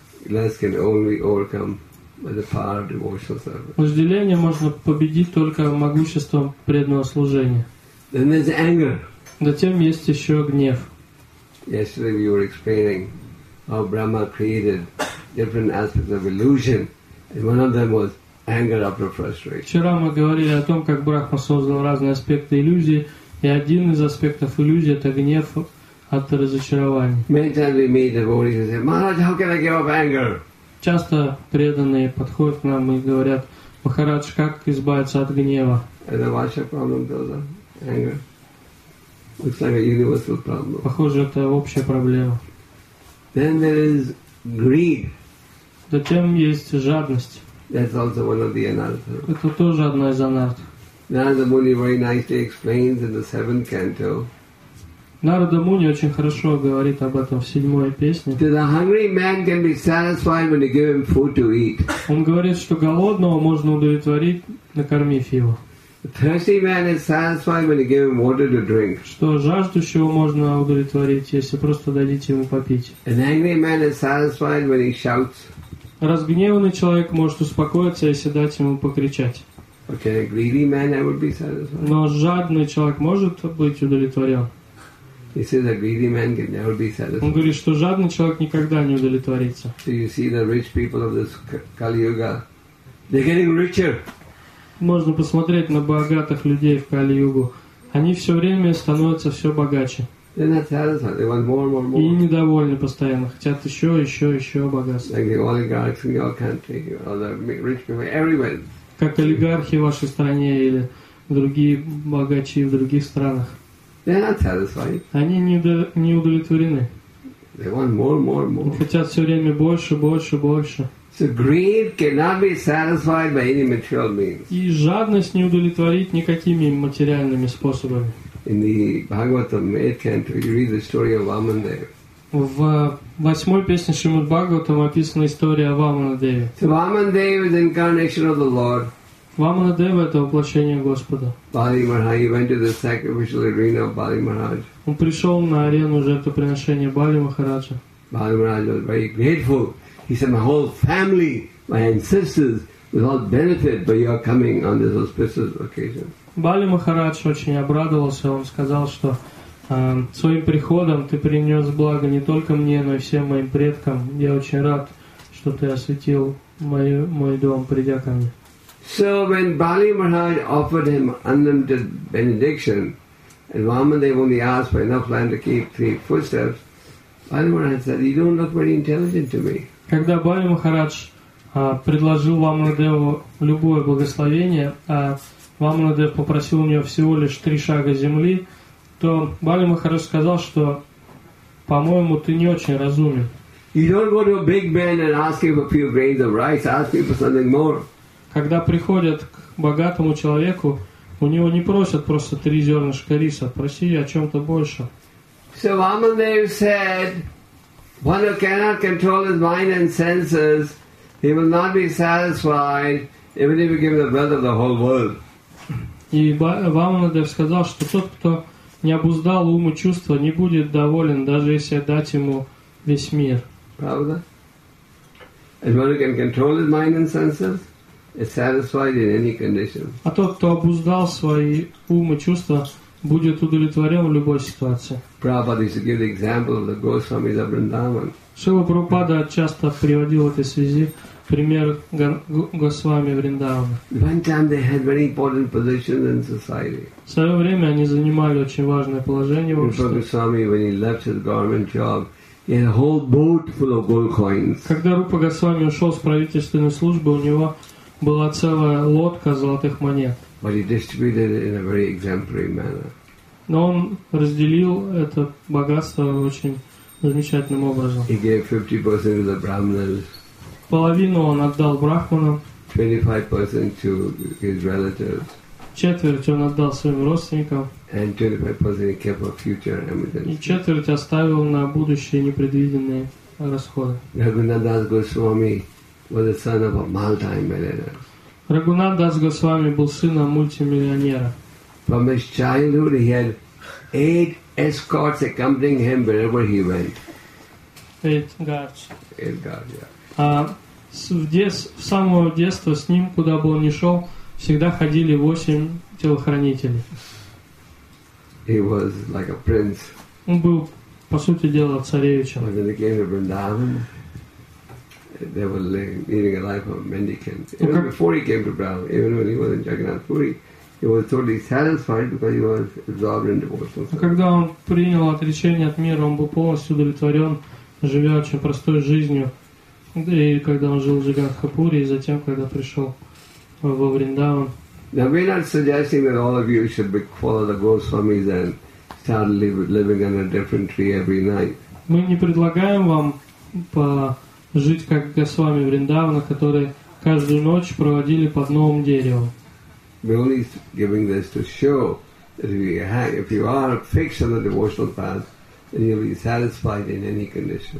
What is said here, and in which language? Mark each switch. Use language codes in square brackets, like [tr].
[en] Lust can only overcome with the power of devotional service. [ru] Вожделение можно победить только могуществом преданного служения. [en] Then there's anger. [ru] Затем есть еще гнев. [en] Yesterday we were explaining how Brahma created different aspects of illusion, and one of them was anger after frustration. [ru] Вчера мы говорили о том, как Брахма создал разные аспекты иллюзии, и один из аспектов иллюзии — это гнев от разочарования. [en] Many times we meet devotees and say, Maharaj, how can I give up anger? [ru] Часто преданные подходят к нам и говорят, Махарадж, как избавиться от гнева? Это ваша проблема, Дуза? [en] Anger? Looks like a universal problem. [ru] Похоже, это общая проблема. [en] Then there is greed. [ru] Затем есть жадность. [en] That's also one of the anarthas. [ru] Это тоже одна из анарт. [en] Narada Muni very nicely explains in the seventh canto. [ru] Narada Muni очень хорошо говорит об этом в седьмой песне. [en] That a hungry man can be satisfied when you give him food to eat. [ru] Он говорит, что голодного можно удовлетворить, накормив его. [en] A thirsty man is satisfied when you give him water to drink. [ru] Что жаждущего можно удовлетворить, если просто дадите ему попить. [en] An angry man is satisfied when he shouts. [ru] Разгневанный человек может успокоиться, если дать ему покричать. [en] Okay, a greedy man I would be satisfied. [ru] Но жадный человек может быть удовлетворен. [en] He says a greedy man can never be satisfied. [ru] Он говорит, что жадный человек никогда не удовлетворится. [en] So you see the rich people of this Kali-Yuga, they're getting richer. [ru] Можно посмотреть на богатых людей в Кали-Югу. Они все время становятся все богаче. [en] They want more. [ru] И недовольны постоянно. Хотят еще богатства. [en] Like the oligarchs in your country, or the rich people, everywhere. [ru] Как олигархи в вашей стране или другие богачи в других странах. [en] They're not satisfied. [ru] Они не удовлетворены. [en] They want more. [ru] Они хотят все время больше. [en] So greed cannot be satisfied by any material means. [ru] И жадность не удовлетворит никакими материальными способами. [en] In the Bhagavatam 8th canto, you read the story of Vamanadeva. [ru] В восьмой песне Шримад Бхагаватам описана история о Вамандеве. [en] So Vamanadeva is incarnation of the Lord. [ru] Vamanadeva – это воплощение Господа. [en] Bali Maharaj, he went to the sacrificial arena of Bali Maharaj. [ru] Он пришел на арену жертвоприношения Бали Махараджа. [en] Bali Maharaj was very grateful. He said, my whole family, my ancestors, will all benefit by your coming on this auspicious occasion. [ru] Бали Махарадж очень обрадовался. Он сказал, что своим приходом ты принес благо не только мне, но и всем моим предкам. Я очень рад, что ты осветил мой дом, придя ко мне. [en] So when Bali Maharaj offered him unlimited benediction, and Vamandev only asked for enough land to keep 3 footsteps, Bali Maharaj said, you don't look very intelligent to me. [ru] Когда Бали Махарадж предложил Вамандеву любое благословение, а Вамандев попросил у него всего лишь 3 шага земли, то Бали Махарадж сказал, что, по-моему, ты не очень разумен. [en] You don't go to a big man and ask him for a few grains of rice, ask him for something more. [ru] Когда приходят к богатому человеку, у него не просят просто 3 зернышка риса, проси о чем-то больше. [en] So Vamandev said, one who cannot control his mind and senses, he will not be satisfied even if you give him the wealth of the whole world. [ru] И Вамандев сказал, что тот, кто не обуздал ум и чувства, не будет доволен, даже если дать ему весь мир. Правда? [en] And one who can control his mind and senses is satisfied in any condition. [ru] А тот, кто обуздал свои ум и чувства, будет удовлетворен в любой ситуации. [en] Prabhupada used to give the example of the Goswamis of Vrindavan. [ru] Шрила Прабхупада часто приводил в этой связи пример Госвами Вриндавана. [en] One time they had very important positions in society. [ru] В свое время они занимали очень важное положение в обществе. [en] Rupa Goswami, when he left his government job, he had a whole boat full of gold coins. [ru] Когда Рупа Госвами ушел с правительственной службы, у него была целая лодка золотых монет. [en] But he distributed it in a very exemplary manner. [ru] Но он разделил это богатство очень замечательным образом. [en] He gave 50% to the brahmanas. [ru] Половину он отдал брахманам. [en] 25% to his relatives. [ru] Четверть он отдал своим родственникам. [en] And 25% he kept for future emergencies. [ru] И четверть оставил на будущие непредвиденные расходы. [en] Raghunandas Goswami was the son of a multi-millionaire. [ru] Рагунат Дас Госвами был сыном мультимиллионера. [en] From his childhood he had 8 escorts accompanying him wherever he went. 8 guards, yeah. [ru] В самого детства с ним, куда бы он ни шел, всегда ходили 8 телохранителей. [en] He was like a prince. [ru] Он был, по сути дела, царевичем. [en] When he came to Vrindavan, they were leading a life of mendicant. Even before he came to Brahma, even when he was in Jagannath Puri, he was totally satisfied because he was absorbed in devotional service. [ru] Когда он принял отречение от мира, он был полностью удовлетворен, живя очень простой жизнью. И когда он жил в Джаганатхапуре, и затем, когда пришел во Вриндаван. [en] Now we're not suggesting that all of you should follow the Goswamis and start living under a different tree every night. [ru] Мы не предлагаем вам по жить как Госвами Вриндавана, которые каждую ночь проводили под новым деревом. [en] We're only giving this to show that if you are fixed on the devotional path, then you'll be satisfied in any condition.